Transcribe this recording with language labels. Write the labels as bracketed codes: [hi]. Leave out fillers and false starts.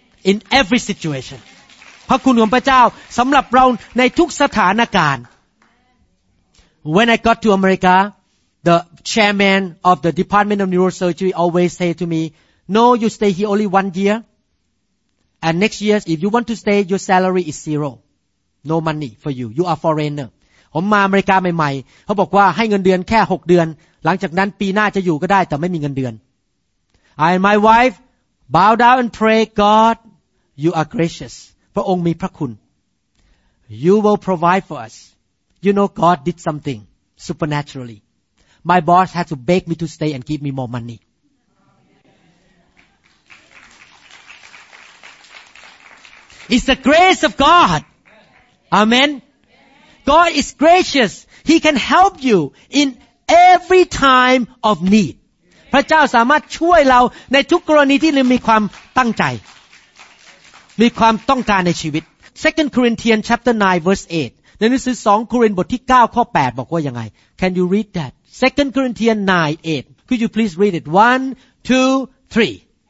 [en] in every situation [th] พระคุณของพระเจ้าสำหรับเราในทุกสถานการณ์ [en] When I got to America, the chairman of the Department of Neurosurgery always say to me, No, you stay here only 1 year. And next year, if you want to stay, your salary is zero. No money for you. You are foreigner. [th] ผมมาอเมริกาใหม่ๆเขาบอกว่าให้เงินเดือนแค่6เดือนหลังจากนั้นปีหน้าจะอยู่ก็ได้แต่ไม่มีเงินเดือน [en] I and my wife bow down and pray, God, you are gracious. [th] พระองค์มีพระคุณ [en] You will provide for us. You know, God did something supernaturally. My boss had to beg me to stay and give me more money. It's the grace of God. Amen. God is gracious. He can help you in every time of need. [th] พระเจ้าสามารถช่วยเราในทุกกรณีที่เรามีความตั้งใจมีความต้องการในชีวิต [en] 2 Corinthians chapter 9 verse 8. [th] ในหนังสือ2โครินธ์บทที่9ข้อ8บอกว่ายังไง [en] Can you read that 2 Corinthians 9:8 Could you please read it 1 2 3